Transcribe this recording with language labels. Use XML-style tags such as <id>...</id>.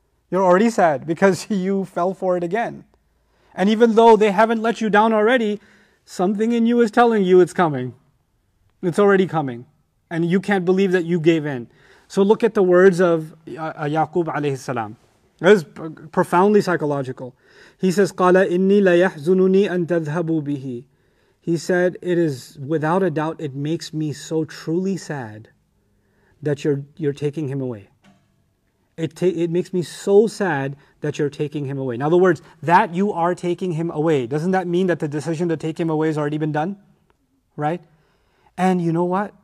<en>You're already sad because you fell for it again. And even though they haven't let you down already, something in you is telling you it's coming. It's already coming. And you can't believe that you gave in. So look at the words of Yaqub alayhi salam. This is profoundly psychological. He says,</en> <ar>قَالَ إِنِّي لَيَحْزُنُنِي أَن تَذْهَبُوا بِهِ.</ar> <en>He said, it is without a doubt, it makes me so truly sad that you're taking him away. It makes me so sad that you're taking him away. In other words, that you are taking him away, doesn't that mean that the decision to take him away has already been done? Right? And you know what?</en>